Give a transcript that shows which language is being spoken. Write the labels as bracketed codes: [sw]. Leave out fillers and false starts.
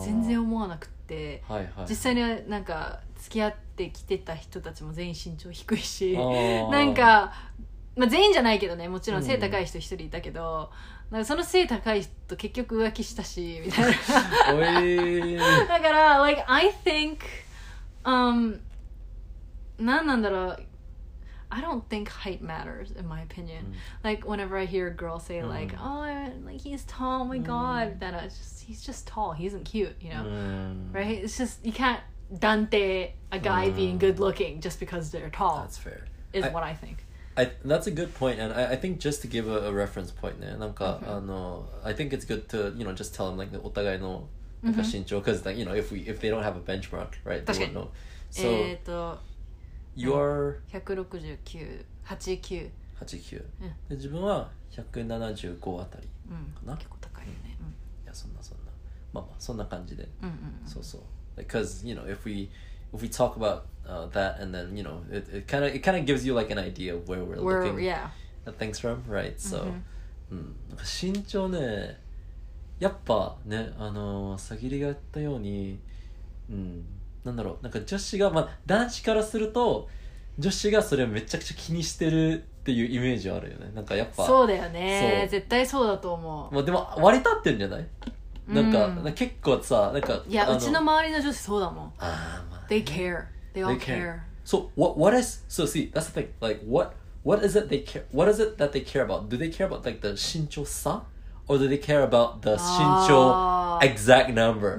[ja] 全然思わなくて、はいはい、実際になんか付き合ってきてた人たちも全員身長低いし、なんか、まあ、全員じゃないけどね、もちろん背高い人一人いたけど、うん、なんかその背高い人結局浮気したしみたいな。 [en] だから like I think [ja] なんなんだろう? [en] I don't think height matters, in my opinion.、うん、like, whenever I hear a girl say,、うん、like, oh, like, he's tall, oh my god,、うん、that just, he's just tall, he isn't cute, you know?、 [ja] うん、 [en] right? It's just, you can't 断定 a guy、うん、being good looking just because they're tall. That's fair. Is what I think. That's a good point, and I think just to give a reference point, ね、なんか、mm-hmm. I think it's good to, you know, just tell him, like, [ja] お互いのなんか身長、 [en] because、mm-hmm. you know if they don't have a benchmark, right? They won't know. So you are 169.89. [ja] 89. 自分は175あたりかな。結構高いよね。いやそんなそんな。まあまあそんな感じで。うんうん。そうそう。 [en] Because you know if we talk about that and then you know it kind of gives you like an idea of where we're looking at、yeah. things from, right? So、mm-hmm. [ja] うん、なんか身長ね。やっぱね、さぎりが言ったように、うん、なんだろう、なんか女子が、まあ、男子からすると、女子がそれをめちゃくちゃ気にしてるっていうイメージはあるよね。なんかやっぱ。そうだよね。絶対そうだと思う。まあ、でも、割り立ってるんじゃない、うん、なんか、なんか結構さ、なんか。いや、うちの周りの女子そうだもん。あ、まあ、 [en] ね。They care. They all care. So, what is, so see, that's the thing. Like, what is it they care, what is it that they care about? Do they care about, like, the 身長さ？Or do they care about the 身長 exact number?